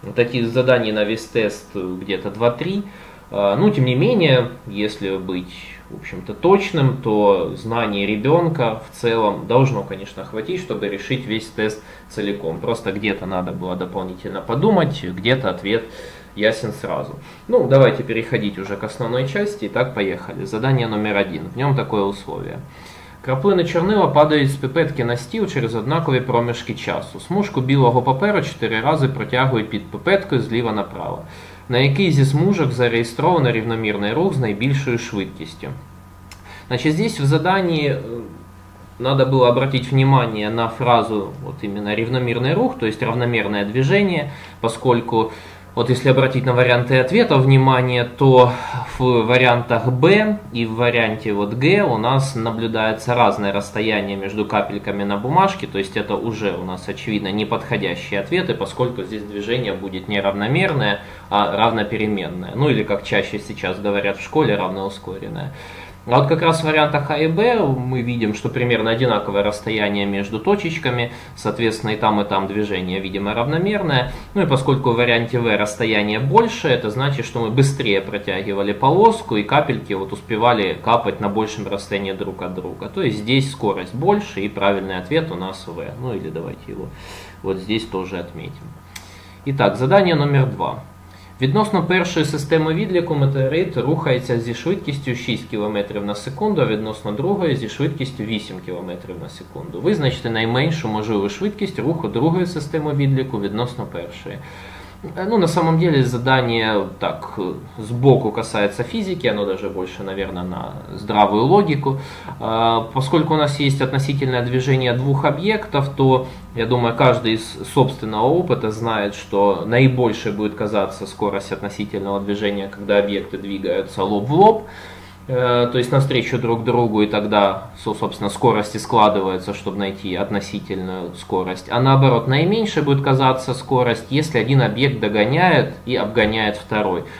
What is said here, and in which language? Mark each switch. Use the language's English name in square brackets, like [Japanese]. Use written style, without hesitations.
[Russian] Таких заданий на весь тест где-то 2-3. Ну, тем не менее, если быть, в общем-то, точным, то знаний ребенка в целом должно, конечно, хватить, чтобы решить весь тест целиком. Просто где-то надо было дополнительно подумать, где-то ответ ясен сразу. Ну, давайте переходить уже к основной части. Итак, поехали. Задание номер 1. В нем такое условие. [Ukrainian] Краплини чорнила падають з пипетки на стіл через однакові проміжки часу. Смужку білого паперу 4 рази протягують під пипеткою зліва направо. На який зі смужок зареєстровано рівномірний рух з найбільшою швидкістю? [Russian] Значить, здесь в заданні надо было обратить внимание на фразу вот именно равномерный рух, то есть равномерное движение, поскольку вот если обратить на варианты ответа внимание, то в вариантах Б и в варианте вот Г у нас наблюдается разное расстояние между капельками на бумажке, то есть это уже у нас очевидно неподходящие ответы, поскольку здесь движение будет не равномерное, а равнопеременное, ну или как чаще сейчас говорят в школе, равноускоренное. А вот как раз в вариантах А и Б мы видим, что примерно одинаковое расстояние между точечками, соответственно, и там движение, видимо, равномерное. Ну и поскольку в варианте В расстояние больше, это значит, что мы быстрее протягивали полоску, и капельки вот успевали капать на большем расстоянии друг от друга. То есть здесь скорость больше, и правильный ответ у нас В. Ну или давайте его вот здесь тоже отметим. Итак, задание номер 2. Відносно першої системи відліку метеорит рухається зі швидкістю 6 км на секунду, а відносно другої зі швидкістю 8 км на секунду. Визначте найменшу можливу швидкість руху другої системи відліку відносно першої. Ну, на самом деле, задание так сбоку касается физики, оно даже больше, наверное, на здравую логику. Поскольку у нас есть относительное движение двух объектов, то, я думаю, каждый из собственного опыта знает, что наибольшей будет казаться скорость относительного движения, когда объекты двигаются лоб в лоб, то есть навстречу друг другу, и тогда, собственно, скорости складываются, чтобы найти относительную скорость. А наоборот, наименьшей будет казаться скорость, если один объект догоняет и обгоняет второй.